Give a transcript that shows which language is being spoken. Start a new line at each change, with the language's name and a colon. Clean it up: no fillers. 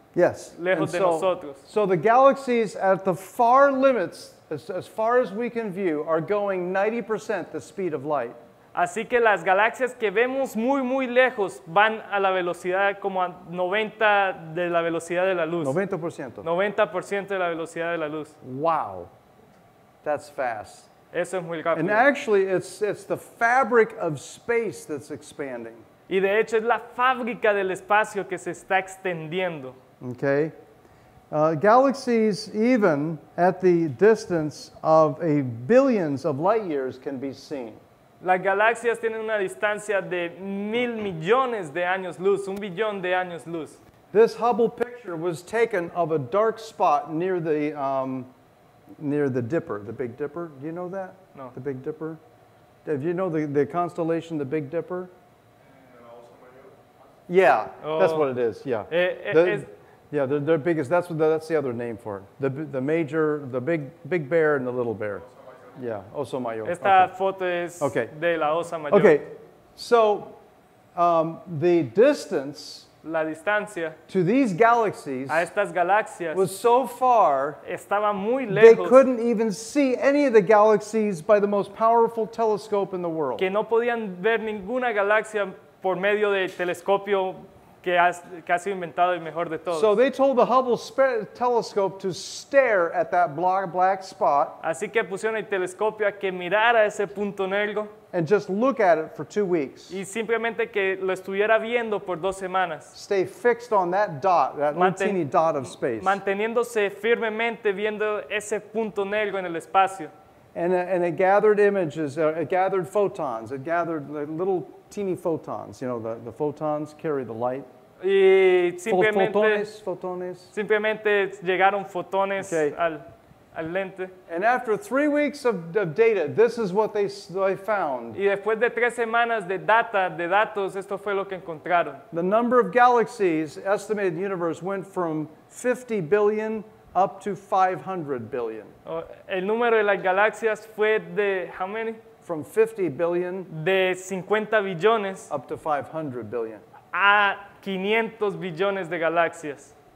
English: Yes.
Spanish: Lejos de nosotros.
English: So the galaxies at the far limits, as far as we can view, are going 90% the speed of light.
Spanish: Así que las galaxias que vemos muy, muy lejos van a la velocidad como a 90 de la velocidad de la luz.
English: 90%.
Spanish: 90% de la velocidad de la luz.
English: Wow. That's fast.
Spanish: Eso es muy rápido.
English: And actually, it's the fabric of space that's expanding.
Spanish: Y de hecho, es la fábrica del espacio que se está extendiendo.
English: Okay. Galaxies, even at the distance of a billions of light years, can be seen.
Spanish: Las galaxias tienen una distancia de 1,000,000,000 de años luz, 1 billón de años luz.
English: This Hubble picture was taken of a dark spot near the Dipper, the Big Dipper. Do you know that? No. The Big Dipper. Do you know the constellation, the Big Dipper? Yeah, oh. That's what it is. Yeah. They're biggest. That's the other name for it. The major, the big bear and the little bear.
Spanish: Yeah, oso mayor. Esta okay. foto es okay. de la osa mayor.
English: Okay, so the distance
Spanish: la distancia
English: to these galaxies
Spanish: a estas galaxias
English: was so far
Spanish: estaba muy lejos,
English: they couldn't even see any of the galaxies by the most powerful telescope in the world.
Spanish: Que no podían ver ninguna galaxia por medio del telescopio que ha sido inventado el mejor de todos.
English: So they told the Hubble telescope to stare at that black spot.
Spanish: Así que pusieron el telescopio a que mirara ese punto negro.
English: And just look at it for 2 weeks.
Spanish: Y simplemente que lo estuviera viendo por 2 semanas.
English: Stay fixed on that dot, that little teeny dot of space.
Spanish: Manteniéndose firmemente viendo ese punto negro en el espacio.
English: And it gathered images, it gathered photons, it gathered little teeny photons, you know, the photons carry the light.
Spanish: Y photones. Simplemente llegaron fotones okay. al lente.
English: And after 3 weeks of data, this is what they found.
Spanish: Y después de 3 semanas de data, de datos, esto fue lo que encontraron.
English: The number of galaxies estimated in the universe went from 50 billion up to 500 billion.
Spanish: El número de las galaxias fue de,
English: how many? From 50 billion
Spanish: de 50 billones
English: up to 500 billion
Spanish: a 500 billones de galaxias.